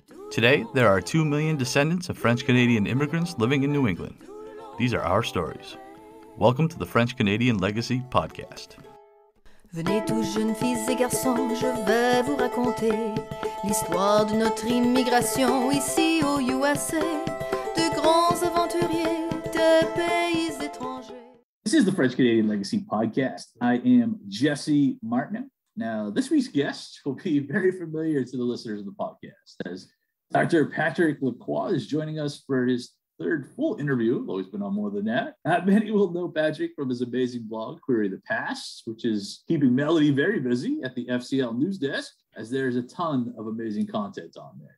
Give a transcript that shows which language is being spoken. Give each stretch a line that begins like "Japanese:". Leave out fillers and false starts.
English: Today, there are 2 million descendants of French-Canadian immigrants living in New England. These are our stories. Welcome to the French-Canadian Legacy Podcast.
French: Venez tous jeunes filles et garçons, je vais vous raconter l'histoire de notre immigration ici aux USA, de grands aventuriers de pays étrangers.
English: This is the French-Canadian Legacy Podcast. I am Jesse Martin. Now, this week's guest will be very familiar to the listeners of the podcast, as Dr. Patrick Lacroix is joining us for his third full interview, though he's been on more than that. Not many will know Patrick from his amazing blog, Query the Past, which is keeping Melody very busy at the FCL news desk, as there's a ton of amazing content on there.